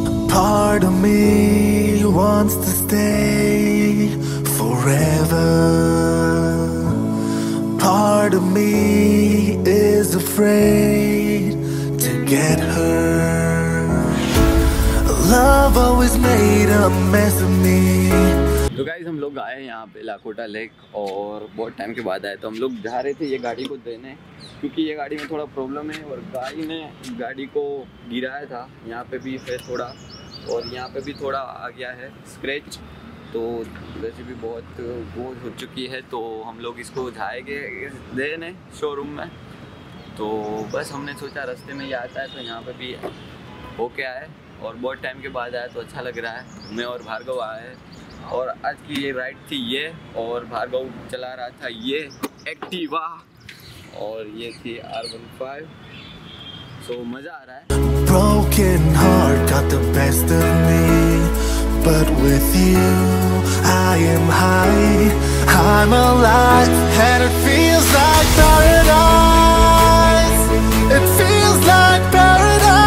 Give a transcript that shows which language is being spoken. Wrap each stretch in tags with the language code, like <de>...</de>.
<en>Part of me wants to stay forever. Part of me is afraid to get hurt. Love always made a mess of me.</en> <hi>तो guys हम लोग आए हैं यहाँ पे Lakhota lake, और बहुत टाइम के बाद आए, तो हम लोग जा रहे थे ये गाड़ी को देने, क्योंकि ये गाड़ी में थोड़ा प्रॉब्लम है और गाय ने गाड़ी को गिराया था, यहाँ पे भी है थोड़ा और यहाँ पे भी थोड़ा आ गया है स्क्रैच, तो वैसे भी बहुत बोझ हो चुकी है, तो हम लोग इसको जाएंगे देने शोरूम में। तो बस हमने सोचा रास्ते में ही आता है तो यहाँ पर भी होके आए, और बहुत टाइम के बाद आया तो अच्छा लग रहा है। मैं और भार्गव आए हैं, और आज की ये राइड थी ये, और भार्गव चला रहा था ये एक्टिवा, और ये थी R15, सो मजा आ रहा है।</hi> <en>Broken heart got the best of me, but with you I am high, I'm alive, and it feels like paradise. It feels like paradise.</en>